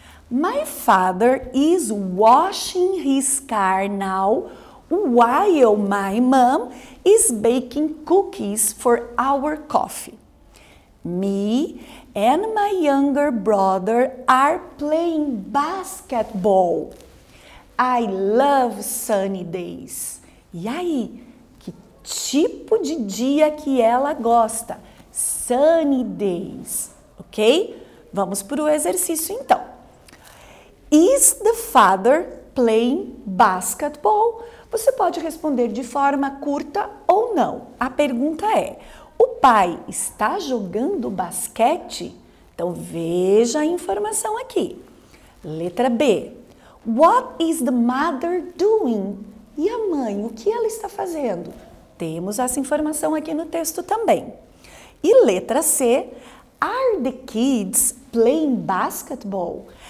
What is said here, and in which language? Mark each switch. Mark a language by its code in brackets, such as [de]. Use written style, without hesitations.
[en] My father is washing his car now while my mom is baking cookies for our coffee. Me and my younger brother are playing basketball. I love sunny days. [pt] E aí, que tipo de dia que ela gosta? [en] Sunny days, [pt] ok? Vamos para o exercício então. [en] Is the father playing basketball? [pt] Você pode responder de forma curta ou não. A pergunta é, o pai está jogando basquete? Então veja a informação aqui. Letra B. [en] What is the mother doing? [pt] E a mãe, o que ela está fazendo? Temos essa informação aqui no texto também. E letra C, [en] are the kids playing basketball?